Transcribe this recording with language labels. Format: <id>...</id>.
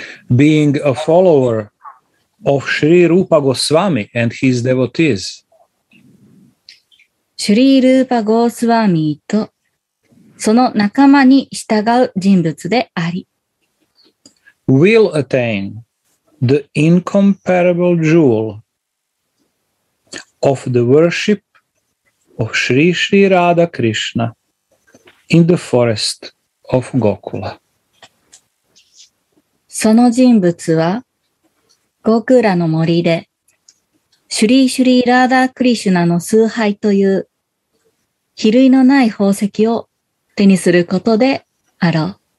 <en>Being a follower of Sri Rupa Goswami and his devotees,</en> <ja>シュリー・ルーパ・ゴースワーミーとその仲間に従う人物であり。</ja> <en>Will attain the incomparable jewel of the worship of Sri Sri Radha Krishna in the forest of Gokula.</en> <ja>その人物は、ゴクラの森で、シュリー・シュリー・ラーダ・クリシュナの崇拝という比類のない宝石を手にすることであろう。</ja>